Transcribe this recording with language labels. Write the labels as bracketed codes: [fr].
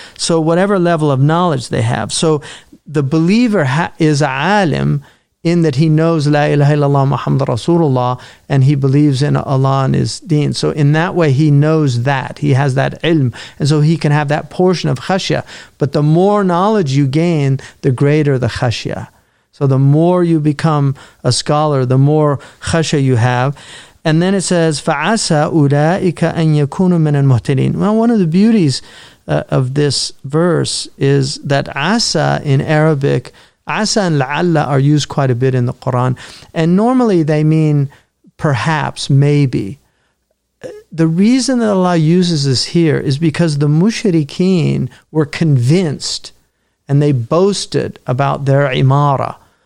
[en] So whatever level of knowledge they have. So the believer is alim in that he knows la ilaha illallah Muhammad Rasulullah and he believes in Allah and his deen. So in that way he knows that. He has that ilm. And so he can have that portion of khashya. But the more knowledge you gain, the greater the khashya. So the more you become a scholar, the more khashya you have. And then it says, [ar] فَعَسَىٰ أُولَٰئِكَ أَن يَكُونُوا مِنَ الْمُهْتَدِينَ. [en] Well, one of the beauties of this verse is that asa in Arabic, asa and la'alla are used quite a bit in the Quran. And normally they mean perhaps, maybe. The reason that Allah uses this here is because the mushrikeen were convinced and they boasted about their imara.